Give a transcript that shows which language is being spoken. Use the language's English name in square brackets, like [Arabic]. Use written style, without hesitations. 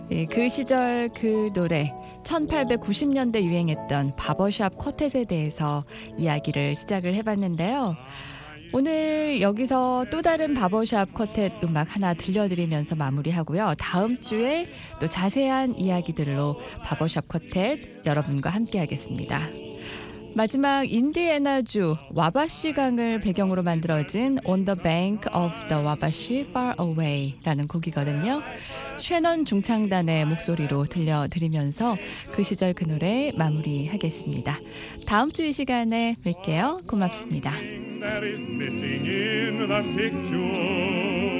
[Korean] 그 시절 그 노래, 1890년대 유행했던 바버샵 쿼텟에 대해서 이야기를 시작을 해봤는데요. 오늘 여기서 또 다른 바버샵 쿼텟 음악 하나 들려드리면서 마무리하고요. 다음 주에 또 자세한 이야기들로 바버샵 쿼텟 여러분과 함께하겠습니다. 마지막 인디애나주 와바시강을 배경으로 만들어진 On the Bank of the Wabash Far Away라는 곡이거든요. 쉐넌 중창단의 목소리로 들려드리면서 그 시절 그 노래 마무리하겠습니다. 다음 주 이 시간에 뵐게요. 고맙습니다. [English] That is missing in the picture.